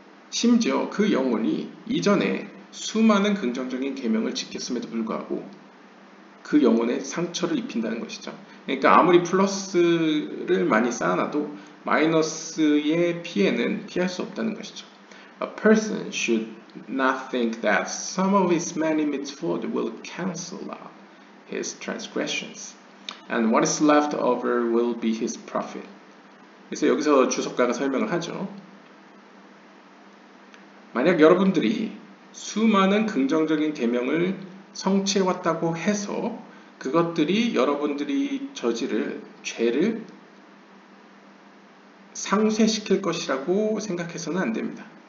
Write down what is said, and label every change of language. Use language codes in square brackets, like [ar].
[ko] 심지어 그 영혼이 이전에 수많은 긍정적인 계명을 지켰음에도 불구하고 그 영혼에 상처를 입힌다는 것이죠. 그러니까 아무리 플러스를 많이 쌓아놔도 마이너스의 피해는 피할 수 없다는 것이죠. [en] A person should not think that some of his many misfortunes will cancel out his transgressions and what is left over will be his profit. [ko] 그래서 여기서 주석가가 설명을 하죠. 만약 여러분들이 수많은 긍정적인 계명을 성취해왔다고 해서 그것들이 여러분들이 저지를 죄를 상쇄시킬 것이라고 생각해서는 안 됩니다.